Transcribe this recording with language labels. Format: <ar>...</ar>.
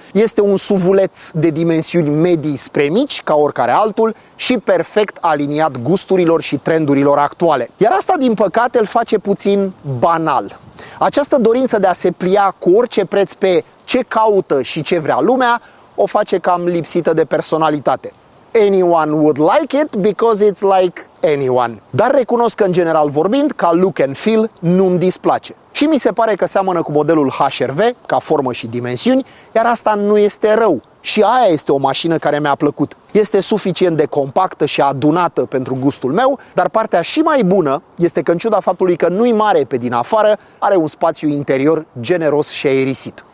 <ro>Este un SUV-uleț de dimensiuni medii spre mici, ca oricare altul, și perfect aliniat gusturilor și trendurilor actuale. Iar asta, din păcate, îl face puțin banal. Această dorință de a se plia cu orice preț pe ce caută și ce vrea lumea, o face cam lipsită de personalitate.</ro> <en>Anyone would like it because it's like anyone.</en> <ro>Dar recunosc că, în general vorbind, ca</ro> <en>look and feel,</en> <ro>nu-mi displace. Și mi se pare că seamănă cu modelul HR-V, ca formă și dimensiuni, iar asta nu este rău. Și aia este o mașină care mi-a plăcut. Este suficient de compactă și adunată pentru gustul meu, dar partea și mai bună este că, în ciuda faptului că nu-i mare pe din afară, are un spațiu interior generos și aerisit.</ro>